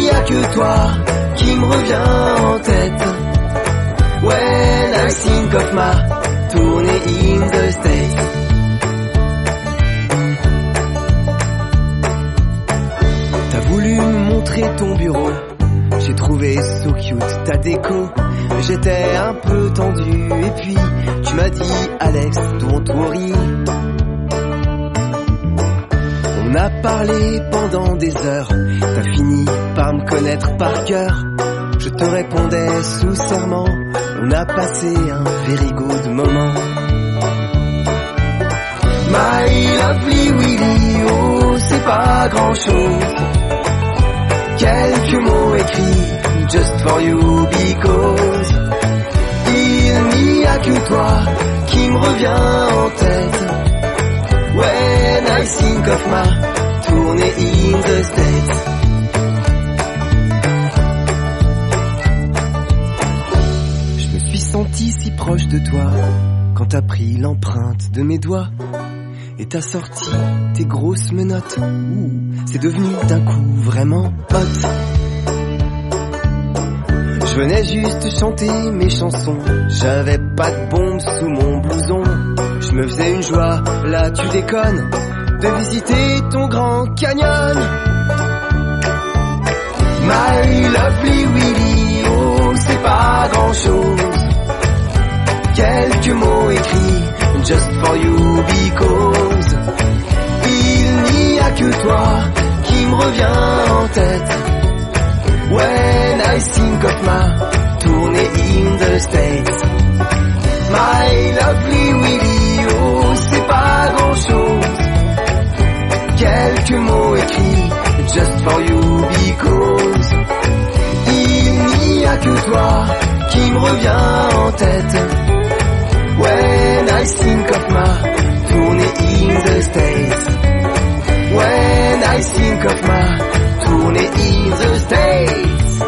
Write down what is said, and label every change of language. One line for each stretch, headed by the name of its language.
French: Que toi qui me revient en tête.
English: When I think of my tournée in the States.
French: T'as voulu me montrer ton bureau. J'ai trouvé
English: so cute
French: ta déco. J'étais un peu tendu. Et puis tu m'as dit Alex,
English: don't worry.
French: On a parlé pendant des heures. T'as fini par me connaître par cœur. Je te répondais sous serment. On a passé un
English: very good moment. My lovely Willy, oh,
French: c'est pas grand chose. Quelques mots écrits,
English: just for you because.
French: Il n'y a que toi qui me revient en tête.
English: When I think of my tournée in the States.
French: Je me suis senti si proche de toi quand t'as pris l'empreinte de mes doigts et t'as sorti tes grosses menottes. C'est devenu d'un coup vraiment hot. Je venais juste chanter mes chansons. J'avais pas de bombe sous mon blouson. Je me faisais une joie, là tu déconnes, de visiter ton grand canyon.
English: My lovely Willy, oh,
French: c'est pas grand chose. Quelques mots écrits,
English: just for you because.
French: Il n'y a que toi qui me revient en tête.
English: When I think of my tournée in the States. My lovely Willy, oh,
French: c'est pas grand chose. Quelques mots écrits,
English: just for you because.
French: Il n'y a que toi qui me revient en tête.
English: When I think of my tournée in the States. When I think of my tournée in the States.